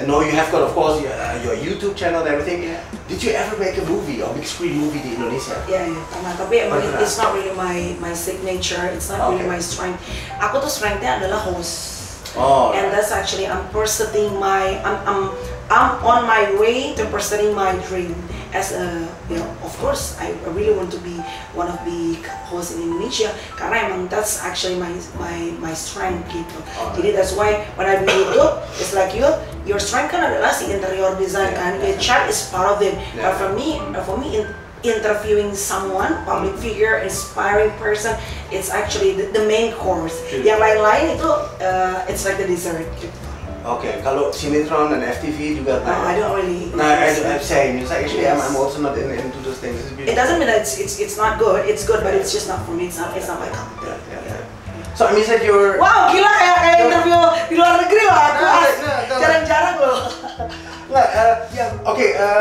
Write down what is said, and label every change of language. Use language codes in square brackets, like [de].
[en] And no, you have got, of course, your YouTube channel and everything. Yeah. Did you ever make a movie or big screen movie di Indonesia? Yeah, [id] tapi emang [en] it's not really my signature. It's not really my strength. [id] Aku tuh strengthnya adalah host. [en] Oh. And that's actually I'm on my way to pursuing my dream as a, you know, of course I really want to be one of the host in Indonesia karena emang that's actually my strength gitu. Oh. Jadi that's why when I do YouTube, it's like you. Your strength [id] kan adalah si [en] interior design kan, the chat is part of it. Yeah. But for me, interviewing someone, public figure, inspiring person, it's actually the main course. Yeah. [id] Yang lain-lain itu, [en] it's like the dessert. [id] Okay, kalau sinetron dan FTV juga kan? [en] No, I don't really. No, I'm saying, it's actually I'm also not into those things. It doesn't mean that it's not good. It's good, but it's just not for me. It's not my cup. So I mean, you're. [id] Wow, gila ya kayak interview di luar negeri loh aku. Jarang-jarang loh. [en] Okay.